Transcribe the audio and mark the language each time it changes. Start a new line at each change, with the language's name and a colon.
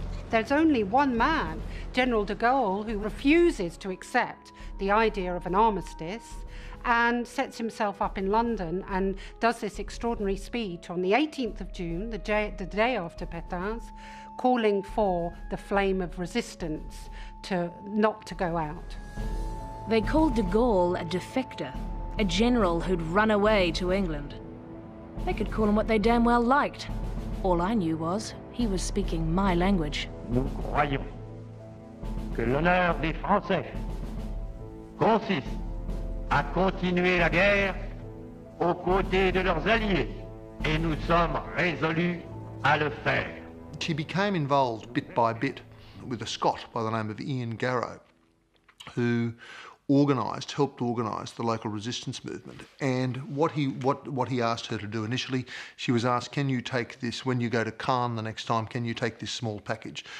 English: There's only one man, General de Gaulle, who refuses to accept the idea of an armistice and sets himself up in London and does this extraordinary speech on the 18th of June, the day after Pétain's, calling for the flame of resistance not to go out. They called de Gaulle a defector, a general who'd run away to England. They could call him what they damn well liked. All I knew was he was speaking my language.
French: Nous croyons que l'honneur des Français consiste à continuer la guerre aux côtés de leurs alliés, et nous sommes résolus à le faire.
English: She became involved bit by bit with a Scot by the name of Ian Garrow, who helped organise the local resistance movement. And what he asked her to do initially, she was asked, can you take this, when you go to Cannes the next time, can you take this small package?